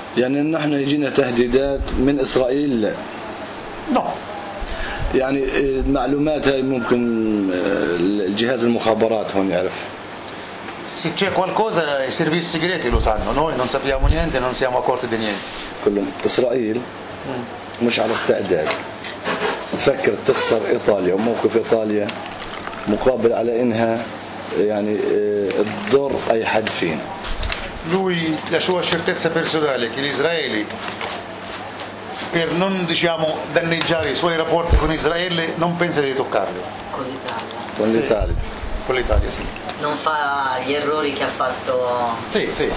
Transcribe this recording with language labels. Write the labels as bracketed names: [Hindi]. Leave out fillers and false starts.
[Arabic] يعني نحن يجينا تهديدات من اسرائيل لا. [Italian] No. [Arabic] يعني المعلومات هاي ممكن الجهاز المخابرات هون يعرف. [Italian] Se c'è qualcosa i servizi segreti lo sanno, noi non sappiamo niente, non siamo accorti di niente. [Arabic] كلهم اسرائيل مش على استعداد. فكر تخسر ايطاليا وموقف ايطاليا مقابل على انها يعني تضر اي حد فينا. [Italian] Lui la sua certezza personale che gli israeli per non diciamo danneggiare i suoi rapporti con Israele non pensa di toccarli. Con l'Italia. Con l'Italia. Sì. Con l'Italia, sì. Non fa gli errori che ha fatto sì, sì.